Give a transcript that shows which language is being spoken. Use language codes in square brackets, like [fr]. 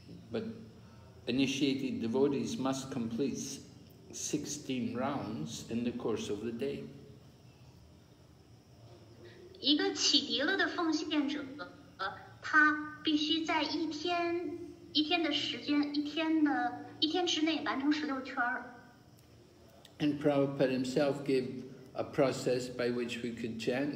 [en] But initiated devotees must complete 16 rounds in the course of the day. [zh] 一个启迪了的奉献者，他必须在一天之内完成16圈。 [en] And Prabhupada himself gave a process by which we could chant.